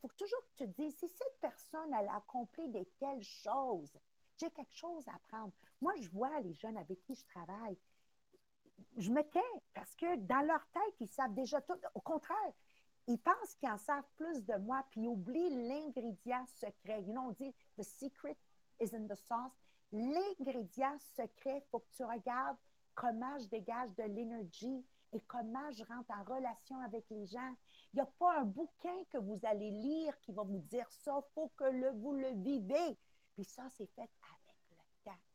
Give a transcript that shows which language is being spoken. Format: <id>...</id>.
<fr>Il faut toujours que tu te dises, si cette personne, elle a accompli des telles choses, j'ai quelque chose à apprendre. Moi, je vois les jeunes avec qui je travaille. Je me tais parce que dans leur tête, ils savent déjà tout. Au contraire, ils pensent qu'ils en savent plus de moi, puis ils oublient l'ingrédient secret.</fr> <en>You know,</en> <fr>on dit,</fr> <en>the secret is in the sauce.</en> <fr>L'ingrédient secret, il faut que tu regardes comment je dégage de l'énergie. Et comment je rentre en relation avec les gens. Il n'y a pas un bouquin que vous allez lire qui va vous dire ça. Il faut que vous le vivez. Puis ça, c'est fait avec le temps.</fr>